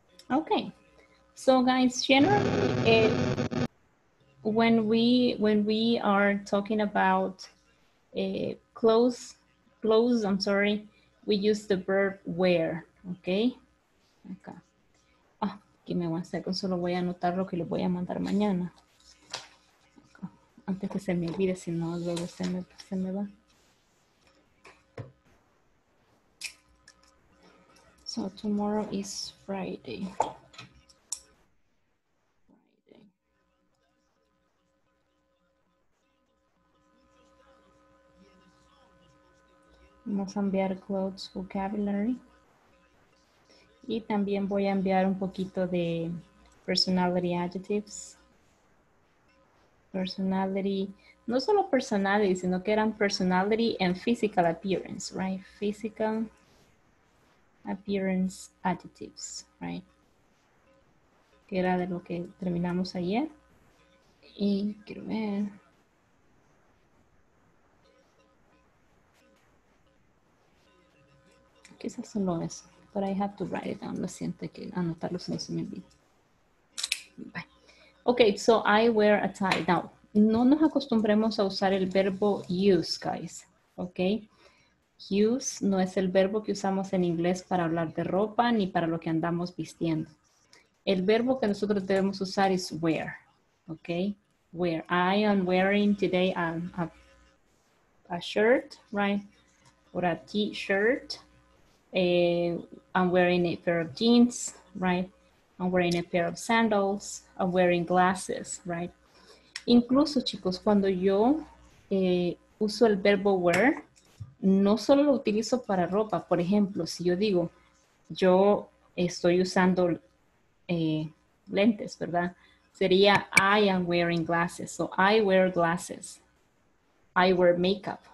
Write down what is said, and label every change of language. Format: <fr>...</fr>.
<en>Ok, so guys, generally, when we are talking about clothes, I'm sorry, we use the verb wear, ¿ok?</en> <es>Acá. Ah,</es> <en>give me 1 second,</en> <es>solo voy a anotar lo que les voy a mandar mañana. Antes que se me olvide, si no, luego se me va.</es> <en>So, tomorrow is Friday.</en> <es>Vamos a enviar clothes vocabulary. Y también voy a enviar un poquito de personality adjectives.</es> <en>Personality,</en> <es>no solo</es> <en>personality,</en> <es>sino que eran</es> <en>personality and physical appearance, right? Physical appearance adjectives, right?</en> <es>Que era de lo que terminamos ayer. Y quiero ver. Quizás solo eso,</es> <en>but I have to write it down.</en> <es>Lo siento que anotarlo si no se me olvida.</es> <en>Bye. Okay, so I wear a tie. Now,</en> <es>no nos acostumbremos a usar el verbo</es> <en>use, guys. Okay?</en> <es>Use no es el verbo que usamos en inglés para hablar de ropa ni para lo que andamos vistiendo. El verbo que nosotros debemos usar es wear.</es> <en>Okay? Wear. I am wearing today a shirt, right? Or a t-shirt. I'm wearing a pair of jeans, right? I'm wearing a pair of sandals, I'm wearing glasses, right?</en> <es>Incluso, chicos, cuando yo uso el verbo wear, no solo lo utilizo para ropa. Por ejemplo, si yo digo, yo estoy usando lentes, ¿verdad? Sería,</es> <en>I am wearing glasses. So, I wear glasses. I wear makeup.</en>